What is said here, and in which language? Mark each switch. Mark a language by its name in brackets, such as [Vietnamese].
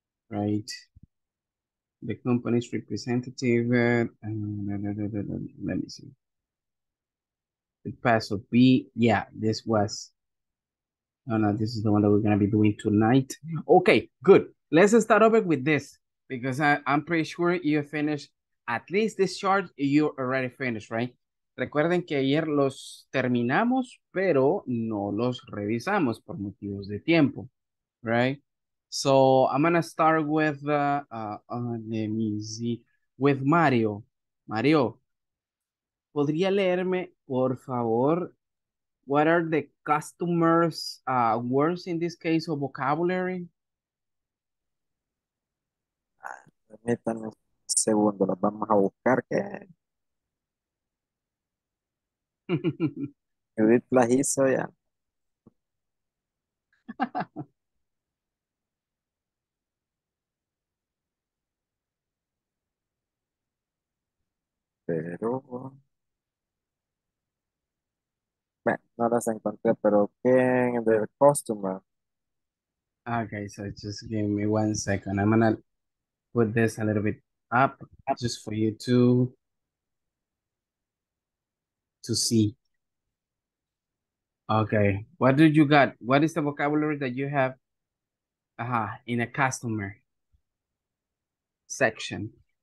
[English] Right? The company's representative, let me see. The pass of B, yeah, this was. Oh, no, this is the one that we're going to be doing tonight. Okay, good. Let's start over with this because I'm pretty sure you finished at least this chart. You already finished, right? [Spanish] Recuerden que ayer los terminamos, pero no los revisamos por motivos de tiempo, [English] right? So I'm going to start with, let me see, with Mario. [Spanish] Mario, ¿podría leerme, por favor? [English] What are the customers' words in this case of vocabulary? [Spanish] Permítanme un segundo, los vamos a buscar. Que me vi plagizo ya. Pero no las encontré, pero ¿quién es el customer? [English] Okay, so just give me 1 second. I'm gonna put this a little bit up just for you to see. Okay, what do you got? What is the vocabulary that you have in a customer section?